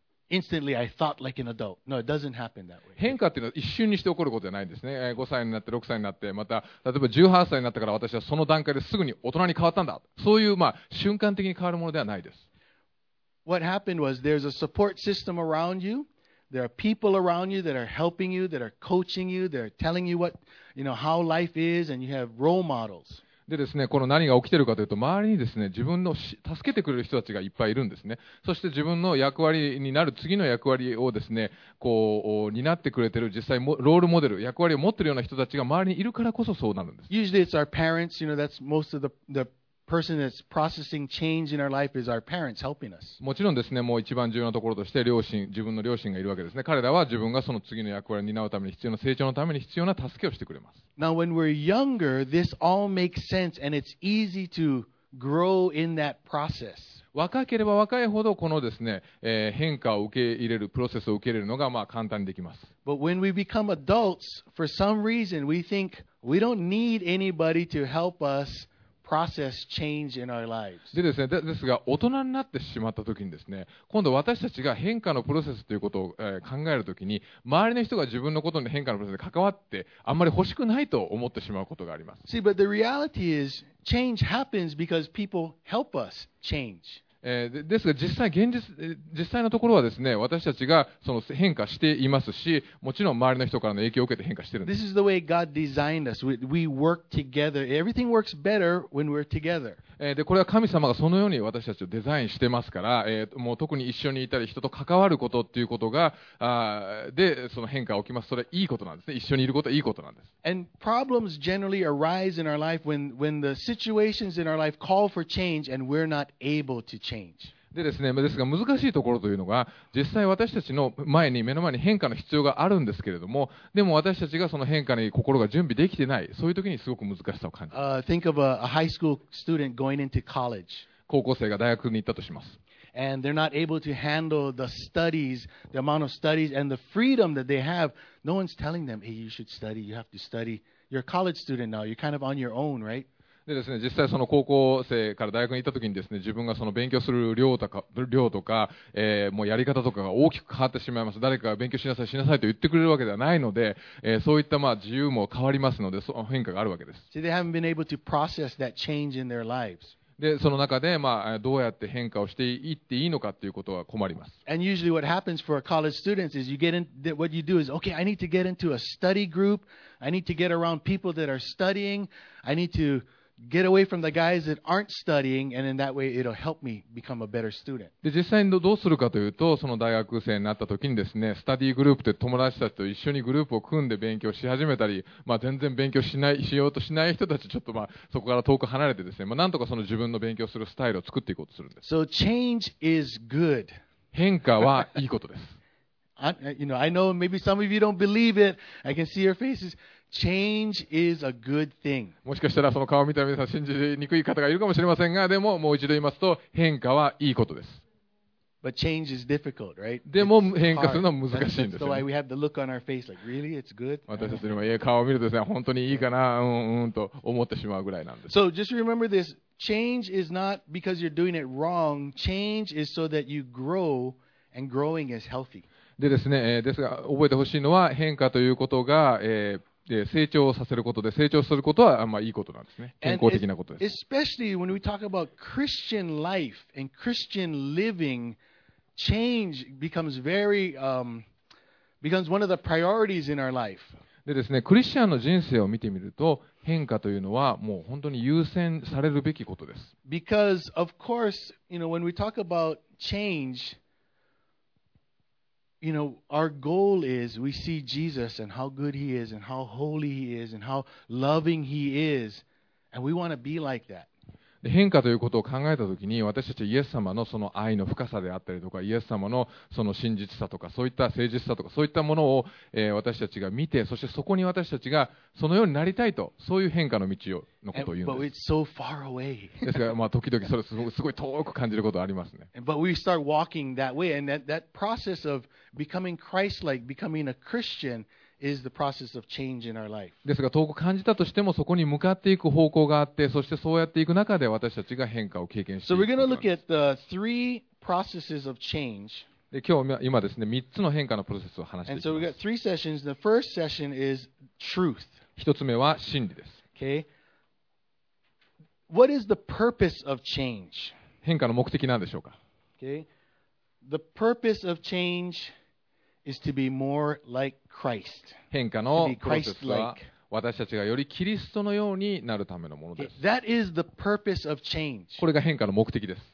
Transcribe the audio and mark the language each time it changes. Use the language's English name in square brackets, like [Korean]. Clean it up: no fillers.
[English] instantly I thought like an adult. No, it doesn't happen that way. [Japanese] 変化っていうのは一瞬にして起こることじゃないんですね。5歳になって6歳になって、また例えば18歳になったから私はその段階ですぐに大人に変わったんだ。そういう、まあ、瞬間的に変わるものではないです。 [English] What happened was there's a support system around you. There are people around you that are helping you, that are coaching you, that are telling you what, you know, how life is, and you have role models. [Japanese] でですね、この何が起きているかというと、周りにですね、自分の助けてくれる人たちがいっぱいいるんですね。そして自分の役割になる次の役割をですね、こう担ってくれている、実際ロールモデル、役割を持っているような人たちが周りにいるからこそそうなるんです。 [English] Usually it's our parents, you know, that's most of the person that's processing change in our life is our parents helping us. [Japanese] もちろんですね、もう一番重要なところとして両親、自分の両親がいるわけですね。彼らは自分がその次の役割を担うために必要な成長のために必要な助けをしてくれます。 [English] Now when we're younger, this all makes sense and it's easy to grow in that process. [Japanese] 若ければ若いほどこのですね、変化を受け入れるプロセスを受け入れるのがまあ簡単にできます。 [English] But when we become adults, for some reason we think we don't need anybody to help us. Process change in our lives. [Japanese] でですね、ですが大人になってしまったときにですね、今度私たちが変化のプロセスということを、考えるときに、周りの人が自分のことに変化のプロセスに関わってあんまり欲しくないと思ってしまうことがあります。 [English] See, but the reality is, change happens because people help us change. [Japanese] ですが実際現実、実際のところはですね、私たちがその変化していますし、もちろん周りの人からの影響を受けて変化してるんです [English] 。This is the way God designed us. We work together. Everything works better when we're together. [Japanese] でこれは神様がそのように私たちをデザインしてますから、もう特に一緒にいたり人と関わることっていうことがでその変化が起きます。それはいいことなんですね。一緒にいることはいいことなんです。 [English] And problems generally arise in our life when the situations in our life call for change and we're not able to change. [Japanese] でですね、ですが難しいところというのが、実際私たちの前に目の前に変化の必要があるんですけれども、でも私たちがその変化に心が準備できてない、そういう時にすごく難しさを感じます。 [English] Think of a high school student going into college. [Japanese] 高校生が大学に行ったとします。 [English] And they're not able to handle the studies, the amount of studies and the freedom that they have. No one's telling them, hey, you should study, you have to study. You're a college student now, you're kind of on your own, right? [Japanese] でですね、実際その高校生から大学に行った時にですね、自分がその勉強する量とか、もうやり方とかが大きく変わってしまいます。誰かが勉強しなさい、しなさいと言ってくれるわけではないので、そういったまあ自由も変わりますので、その変化があるわけです。 [English] See, they haven't been able to process that change in their lives. [Japanese] で、その中で、まあ、どうやって変化をしていっていいのかということは困ります。 [English] And usually what happens for college students is you get in, what you do is, okay, I need to get into a study group. I need to get around people that are studying. I need toget away from the guys that aren't studying, and in that way, it'll help me become a better student. [Japanese] で、実際にどうするかというと、その大学生になった時にですね、スタディグループで友達たちと一緒にグループを組んで勉強し始めたり、まあ、全然勉強しない、しようとしない人たち、ちょっとまあ、そこから遠く離れてですね、まあ、なんとかその自分の勉強するスタイルを作っていこうとするんです。 [English] So change is good. [Japanese] 変化はいいことです。 [English] You know, I know maybe some of you don't believe it. I can see your faces. Change is a good thing. [Japanese] もしかしたらその顔を見た皆さん信じにくい方がいるかもしれませんが、でももう一度言いますと、変化はいいことです。 [English] But change is difficult, right? [Japanese] でも変化するのは難しいんですよ。 [English] So we have the look on our face, like really, it's good. [Japanese] 私たちにも顔を見るとですね、本当にいいかな、うんうんと思ってしまうぐらいなんです。 [English] So just remember this: change is not because you're doing it wrong. Change is so that you grow, and growing is healthy. [Japanese] でですね、ですが覚えてほしいのは変化ということが。で成長させることで成長することはまあいいことなんですね。健康的なことです。 [English] Especially when we talk about Christian life and Christian living, change becomes very, becomes one of the priorities in our life. [Japanese] でですね、クリスチャンの人生を見てみると、変化というのはもう本当に優先されるべきことです。 [English] Because of course, you know, when we talk about change,You know, our goal is we see Jesus and how good he is and how holy he is and how loving he is and we want to be like that. [Japanese] 変化ということを考えたときに私たちイエス様のその愛の深さであったりとかイエス様のその真実さとかそういった誠実さとかそういったものを、私たちが見てそしてそこに私たちがそのようになりたいとそういう変化の道をのことを言うんです。 [English] But it's so far away. [Japanese] ですから、まあ、時々それすごい遠く感じることありますね。 [English] But we start walking that way and that process of becoming Christ-like, becoming a Christian,Is the process of change in our life. [Japanese] ですが遠く感じたとしてもそこに向かっていく方向があってそしてそうやっていく中で私たちが変化を経験していくことなんです。 [English] So we're going to look at the three processes of change. [Japanese] で今日今ですね3つの変化のプロセスを話していきます。 [English] And so we got three sessions. The first session is truth. [Japanese] 一つ目は真理です。 [English] Okay. What is the purpose of change? [Japanese] 変化の目的なんでしょうか。 [English] Okay. The purpose of change is to be more like Christ. [Japanese] 変化のプロセスは私たちがよりキリストのようになるためのものです。 [English] Okay. That is the purpose of change. [Japanese] これが変化の目的です。